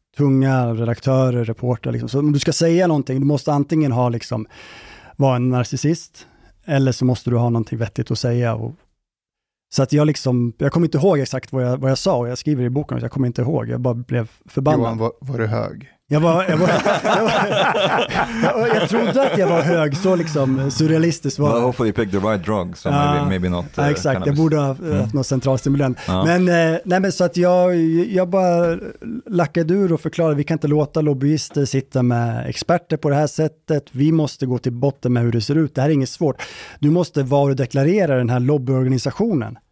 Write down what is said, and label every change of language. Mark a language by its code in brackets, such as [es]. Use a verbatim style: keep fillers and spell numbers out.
[sv] tunga redaktörer, reportrar. Liksom. Så om du ska säga någonting, du måste antingen ha, liksom, vara en narcissist, eller så måste du ha någonting vettigt att säga. Och, så att jag, liksom, jag kommer inte ihåg exakt vad jag, vad jag sa, och jag skriver i boken, så jag kommer inte ihåg, jag bara blev förbannad. Johan, var, var du hög? Jag, var, jag, var, jag, var, jag, var, jag trodde att jag var hög, så liksom surrealistiskt var. [en] Well, hopefully you picked the right drug, so uh, maybe, maybe not. [sv] Uh, exakt, cannabis. Jag borde ha haft mm. någon centralstimulant. Uh. Men, eh, nej, men så att jag, jag bara lackade ur och förklarade att vi kan inte låta lobbyister sitta med experter på det här sättet. Vi måste gå till botten med hur det ser ut. Det här är inget svårt. Du måste varudeklarera den här lobbyorganisationen.